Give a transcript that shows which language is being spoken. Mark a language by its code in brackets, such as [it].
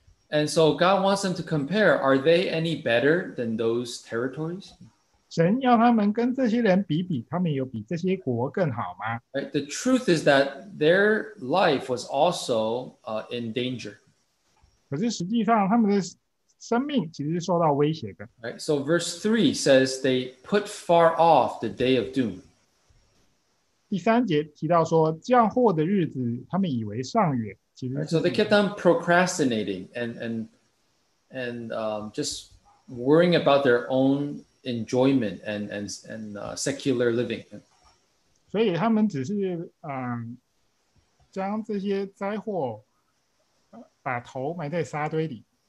[en] And so God wants them to compare, are they any better than those territories? [zh] 神要他们跟这些人比比, 他们有比这些国更好吗? [en] Right? The truth is that their life was also in danger. [zh] 可是实际上他们的生命其实是受到威胁的。 [en] Right? So verse 3 says they put far off the day of doom. [zh] 第三节提到说, 降祸的日子, 他们以为尚远, 其实是... [en] Right, so they kept on procrastinating and just worrying about their own enjoyment and secular living. [zh] 所以他们只是, 将这些灾祸, 把头埋在沙堆里。